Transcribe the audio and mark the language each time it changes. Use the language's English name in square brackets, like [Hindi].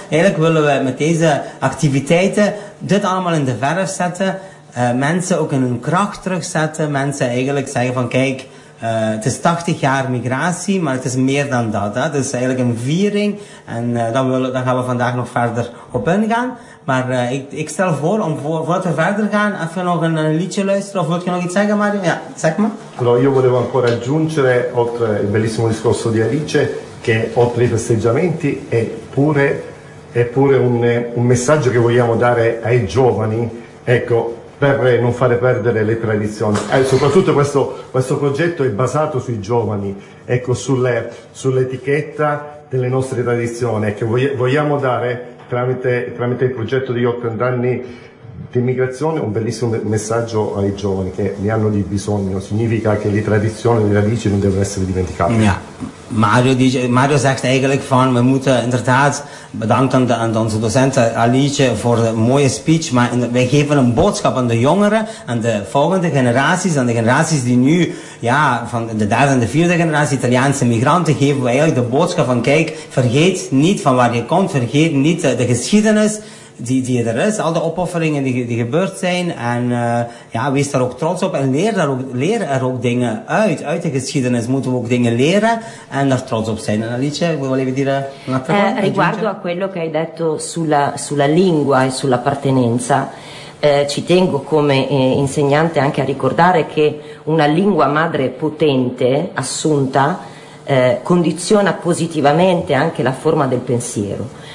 [Dutch] Eigenlijk willen we met deze activiteiten dit allemaal in de verf zetten, mensen ook in hun kracht terugzetten, mensen eigenlijk zeggen van kijk, het is 80 jaar migratie, maar het is meer dan dat. Hè. Het is eigenlijk een viering en daar gaan we vandaag nog verder op ingaan. Maar ik stel voor, voordat we verder gaan, even nog een liedje luisteren. Of wil je nog iets zeggen, Mario? Ja, zeg maar. [Italian] Allora, io volevo ancora aggiungere, oltre il bellissimo discorso di Alice, che oltre ai festeggiamenti è pure un messaggio che vogliamo dare ai giovani. Ecco, per non fare perdere le tradizioni. Soprattutto questo progetto è basato sui giovani, ecco, sull'etichetta delle nostre tradizioni, che vogliamo dare tramite il progetto di 80 anni di immigrazione un bellissimo messaggio ai giovani che ne hanno di bisogno. Significa che le tradizioni, le radici non devono essere dimenticate. Yeah. Mario dice, [Dutch] Mario zegt eigenlijk van, we moeten inderdaad bedanken aan onze docent Alice voor de mooie speech, maar wij geven een boodschap aan de jongeren, aan de volgende generaties, aan de generaties die nu, ja, van de derde en de vierde generatie Italiaanse migranten, geven we eigenlijk de boodschap van, kijk, vergeet niet van waar je komt, vergeet niet de geschiedenis die er is, al de opofferingen die gebeurd zijn, en ja, wees daar ook trots op en leer er ook dingen uit de geschiedenis moeten we ook dingen leren en daar trots op zijn. [Italian] Alice, vuoi volevi dire un'altra cosa? Riguardo a quello che hai detto sulla lingua e sull'appartenenza, ci tengo come insegnante anche a ricordare che una lingua madre potente, assunta, condiziona positivamente anche la forma del pensiero.